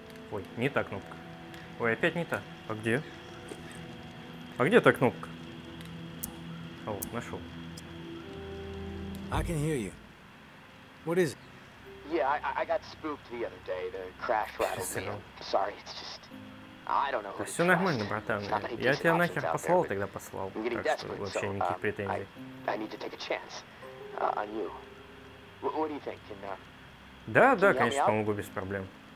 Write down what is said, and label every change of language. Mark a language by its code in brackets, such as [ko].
[ru] Ой, не та кнопка. Ой, опять не та. А где? А где та кнопка? А вот, нашел. [en] I can hear you. What is it? Yeah, I got spooked the other day. The crash rattled me. Sorry, it's just I don't know. [ru] Все нормально, братан. Я тебя нахер послал, тогда послал. Так что вообще никаких претензий. [en] I need to take a chance on you. What do you think? [ru] Да, да, конечно, помогу без проблем.